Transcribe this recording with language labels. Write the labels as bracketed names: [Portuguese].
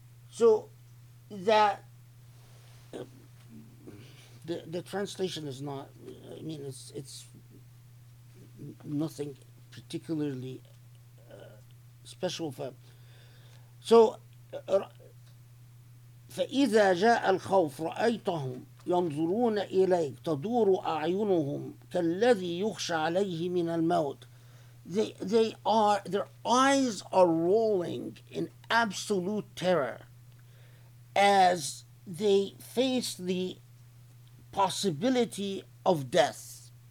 [English] So the translation is not, I mean, it's nothing particularly special for him. [Arabic] So فإذا جاء الخوف رأيتهم ينظرون إليك تدور أعينهم كالذي يخشى عليه من الموت. [English] Their eyes are rolling in absolute terror as they face the possibility of death.